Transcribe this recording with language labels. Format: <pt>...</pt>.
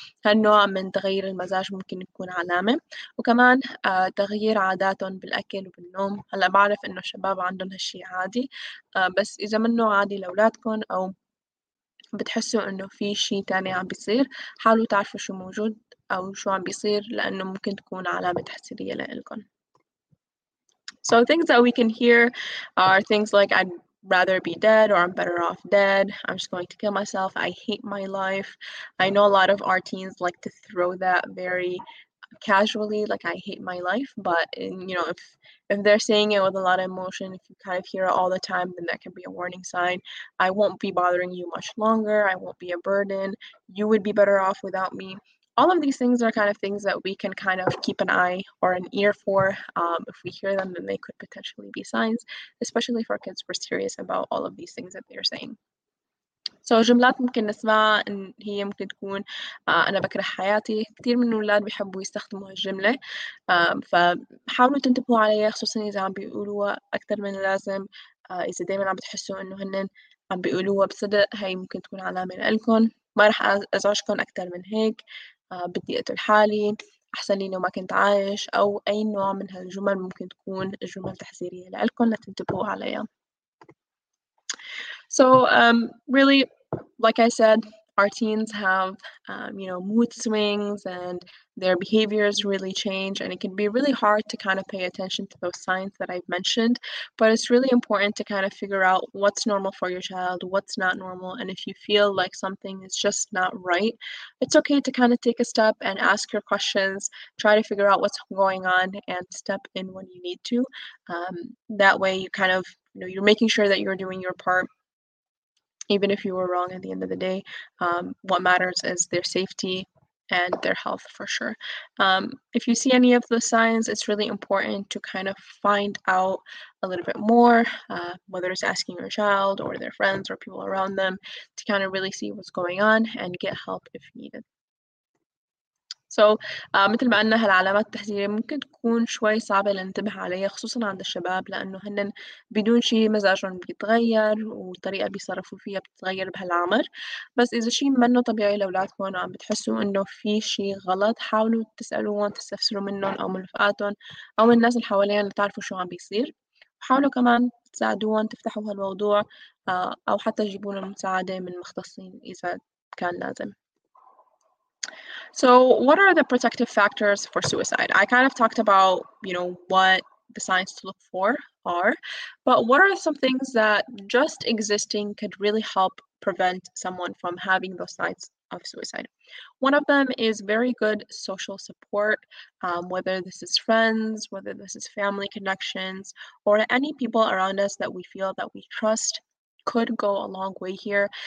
<ar>هالنوع من تغيير المزاج ممكن يكون علامة. وكمان تغيير عاداتهم بالأكل وبالنوم. هلأ بعرف إنه الشباب عندهم هالشي عادي، بس إذا منه عادي لأولادكم أو بتحسوا إنه في شي تاني عم بيصير، حاولوا تعرفوا شو موجود أو شو عم بيصير، لأنه ممكن تكون علامة تحذيرية لإلكم.</ar> <en>So things that we can hear are things like I'd rather be dead, or I'm better off dead, I'm just going to kill myself, I hate my life. I know a lot of our teens like to throw that very casually, like I hate my life, but you know, if they're saying it with a lot of emotion, if you kind of hear it all the time, then that can be a warning sign. I won't be bothering you much longer, I won't be a burden, you would be better off without me. all of these things are kind of things that we can kind of keep an eye or an ear for. If we hear them, then they could potentially be signs, especially for kids who are serious about all of these things that they're saying.</en> <ar>So جملات ممكن نسمعها إن هي ممكن تكون أنا بكره حياتي. كتير من الأولاد بيحبوا يستخدموا هالجملة، فحاولوا تنتبهوا عليها، خصوصا إذا عم بيقولوها أكثر من اللازم، إذا دايما عم بتحسوا إنه هنن عم بيقولوها بصدق، هاي ممكن تكون علامة لإلكن. ما رح أزعجكن أكثر من هيك، بدي أقتل حالي، أحسن لي لو ما كنت عايش، أو أي نوع من هالجمل ممكن تكون جمل تحذيرية لإلكن لتنتبهوا عليها.</ar> <en>So really, like I said, our teens have, mood swings and their behaviors really change. And it can be really hard to kind of pay attention to those signs that I've mentioned. But it's really important to kind of figure out what's normal for your child, what's not normal. And if you feel like something is just not right, it's okay to kind of take a step and ask your questions, try to figure out what's going on and step in when you need to. That way you kind of, you're making sure that you're doing your part. Even if you were wrong at the end of the day, what matters is their safety and their health for sure. If you see any of the signs, it's really important to kind of find out a little bit more, whether it's asking your child or their friends or people around them to kind of really see what's going on and get help if needed.</en> <ar>So, مثل ما قلنا هالعلامات التحذيرية ممكن تكون شوي صعبة لننتبه عليها خصوصا عند الشباب لأنه هنن بدون شيء مزاجهم بيتغير والطريقة بيصرفوا فيها بتتغير بهالعمر. بس إذا شيء منه طبيعي لأولادكم وعم بتحسوا إنه في شيء غلط، حاولوا تسألوهم تستفسروا منهم أو من رفقاتهم أو من الناس اللي حواليهم لتعرفوا شو عم بيصير. حاولوا كمان تساعدوهم تفتحوا هالموضوع أو حتى تجيبوا لهم مساعدة من مختصين إذا كان لازم.</ar> <en>So what are the protective factors for suicide? I kind of talked about, what the signs to look for are, but what are some things that just existing could really help prevent someone from having those signs of suicide? One of them is very good social support, whether this is friends, whether this is family connections, or any people around us that we feel that we trust could go a long way here.</en>